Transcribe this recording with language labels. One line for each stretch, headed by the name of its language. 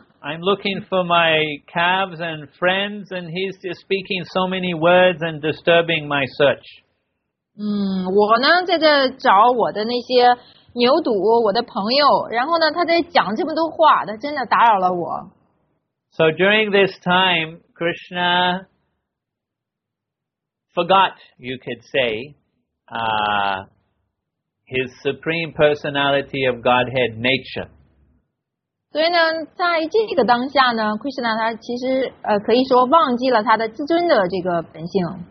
English: I'm looking for my calves and friends, and he's just speaking so many words and disturbing my search.
Chinese: 我呢在这找我的那些牛犊，我的朋友，然后呢他在讲这么多话，他真的打扰了我。
English: So during this time, Krishna. Forgot, you could say, his supreme personality of Godhead nature.
Chinese: 所以呢，在这个当下呢 ，Krishna 他其实可以说忘记了他的自尊的这个本性。